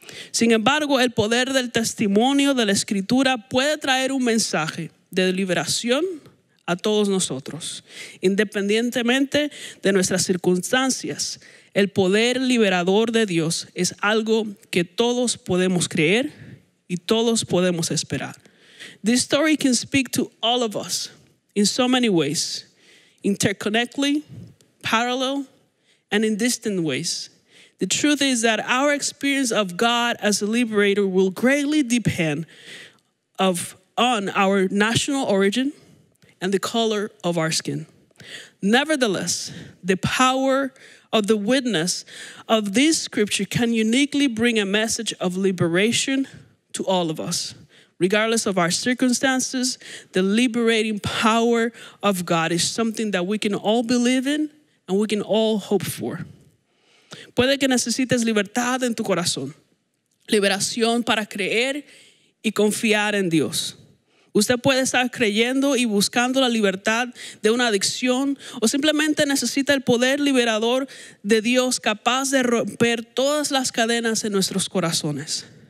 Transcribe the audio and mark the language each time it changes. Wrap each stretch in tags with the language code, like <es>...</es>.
<es>Sin embargo, el poder del testimonio de la Escritura puede traer un mensaje de liberación a todos nosotros. Independientemente de nuestras circunstancias, el poder liberador de Dios es algo que todos podemos creer y todos podemos esperar.</es> <en>This story can speak to all of us in so many ways, interconnectedly, parallel, and in distant ways. The truth is that our experience of God as a liberator will greatly depend on our national origin and the color of our skin. Nevertheless, the power of the witness of this scripture can uniquely bring a message of liberation to all of us. Regardless of our circumstances, the liberating power of God is something that we can all believe in and we can all hope for.</en> <es>Puede que necesites libertad en tu corazón, liberación para creer y confiar en Dios. Usted puede estar creyendo y buscando la libertad de una adicción o simplemente necesita el poder liberador de Dios capaz de romper todas las cadenas en nuestros corazones.</es>